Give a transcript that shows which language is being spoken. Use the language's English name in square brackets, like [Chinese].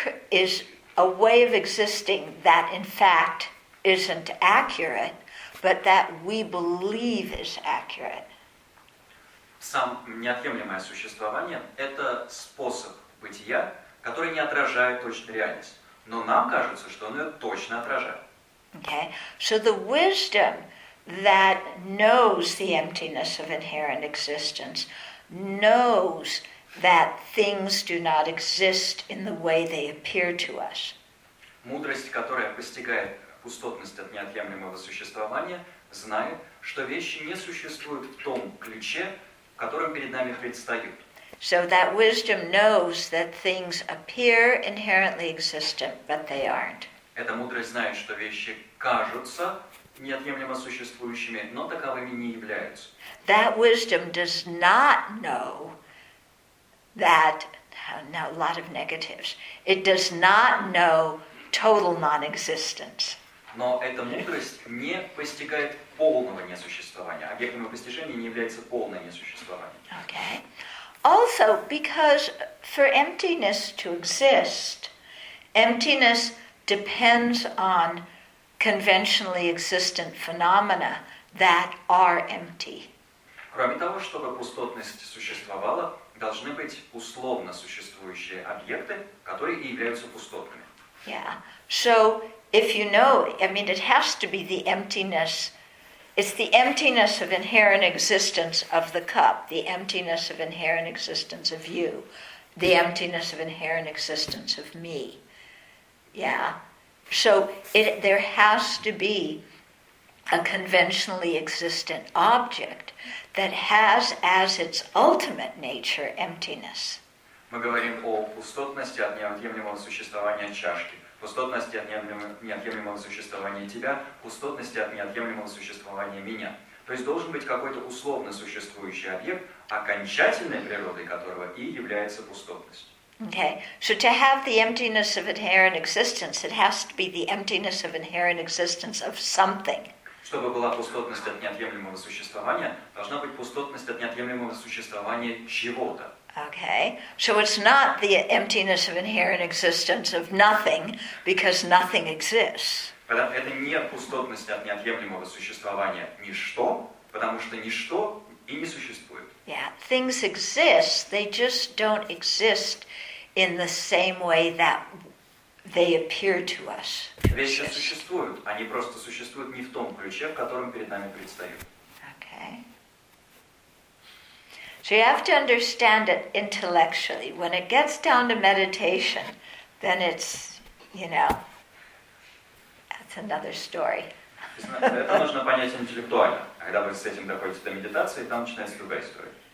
[English] is a way of existing that in fact isn't accurate, but that we believe is accurate. [Russian] Сам неотъемлемое существование – это способ бытия, который не отражает точно реальность. Но нам кажется, что он ее точно отражает. [English] Okay. So the wisdom that knows the emptiness of inherent existence knows that things do not exist in the way they appear to us. [Russian] Мудрость, которая постигает пустотность от неотъемлемого существования, знает, что вещи не существуют в том ключе, которым перед нами предстают. [English] So that wisdom knows that things appear inherently existent, but they aren't. [Russian] Эта мудрость знает, что вещи кажутся неотъемлемо существующими, но таковыми не являются. [English] That wisdom does not know that, now a lot of negatives, it does not know total non-existence. [Russian] Но эта мудрость не постигает полного несуществования. Объектом ее постижения не является полное несуществование. [English] Okay. Also, because for emptiness to exist, emptiness depends on conventionally existent phenomena that are empty. [Russian] Кроме того, чтобы пустотность существовала, должны быть условно существующие объекты, которые и являются пустотными. [English] Yeah. So, if you know, I mean, it has to be the emptiness. It's the emptiness of inherent existence of the cup, the emptiness of inherent existence of you, the emptiness of inherent existence of me. Yeah. So there has to be a conventionally existent object that has as its ultimate nature emptiness. [Russian] Мы говорим о пустотности от неотъемлемого существования чашки. Пустотности от неотъемлемого существования тебя, пустотности от неотъемлемого существования меня. То есть должен быть какой-то условно существующий объект, окончательной природой которого и является пустотность. [English] Okay. So to have the emptiness of inherent existence, it has to be the emptiness of inherent existence of something. [Russian] Чтобы была пустотность от неотъемлемого существования, должна быть пустотность от неотъемлемого существования чего-то. [English] Okay, so it's not the emptiness of inherent existence of nothing, because nothing exists. [Russian] Это не пустотность от неотъемлемого существования ничто, потому что ничто и не существует. [English] Yeah, things exist, they just don't exist in the same way that they appear to us. [Russian] Вещи существуют, они просто существуют не в том ключе, в котором перед нами предстают. [English] Okay. So you have to understand it intellectually. When it gets down to meditation, then it's, you know, that's another story. [Russian] Это нужно понять интеллектуально. Когда вы с этим доходите до медитации, там начинается другая история.